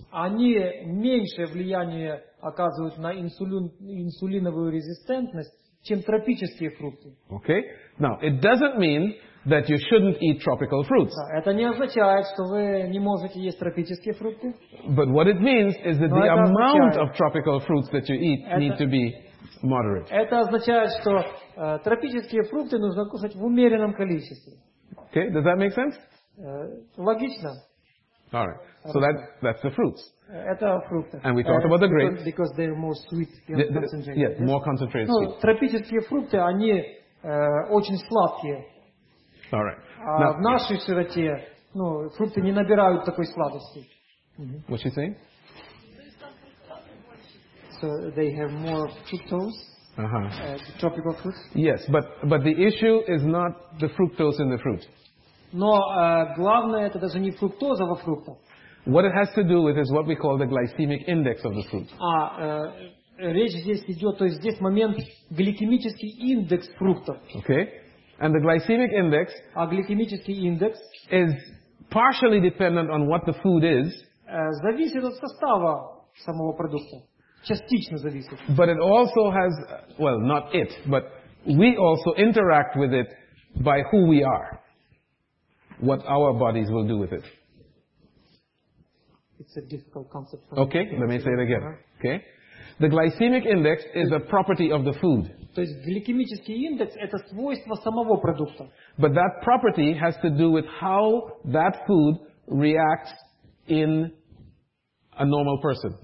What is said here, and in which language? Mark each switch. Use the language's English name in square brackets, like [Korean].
[Russian] Они меньшее влияние оказывают на инсулиновую резистентность, чем тропические фрукты. [English] Okay. Now, it doesn't mean that you shouldn't eat tropical fruits. [Russian] Это не означает, что вы не можете есть тропические фрукты. [English] But what it means is that the amount of tropical fruits that you eat need to be moderate. [Russian] Это означает, что тропические фрукты нужно кушать в умеренном количестве. [English] Okay, does that make sense? [Russian] Логично. [English] All right. So that's the fruits. [Russian] Это фрукты. [English] And we talked about the grapes. Because they're more sweet and concentrated. Yes, more concentrated. [Russian] Ну, тропические фрукты, они очень сладкие. [English] All right. [Russian] А в нашей широте, ну, фрукты не набирают такой сладости. [English] What she saying? So they have more fructose. Tropical fruits. Yes, but the issue is not the fructose in the fruit. [Russian] Но главное, это даже не фруктоза во фруктах. [English] What it has to do with is what we call the glycemic index of the fruit. [Russian] Речь здесь идет, то есть здесь момент гликемический индекс фруктов. [English] Okay. And the glycemic index, [Russian] глицемический индекс, [English] is partially dependent on what the food is. [Russian] Зависит от состава самого продукта. Частично зависит. [English] But it also has, well, not it, but we also interact with it by who we are. What our bodies will do with it. It's a difficult concept. Okay, let me say it again. Okay, the glycemic index is a property of the food. [Russian] То есть гликемический индекс это свойство самого продукта. [English] But that property has to do with how that food reacts in a normal person.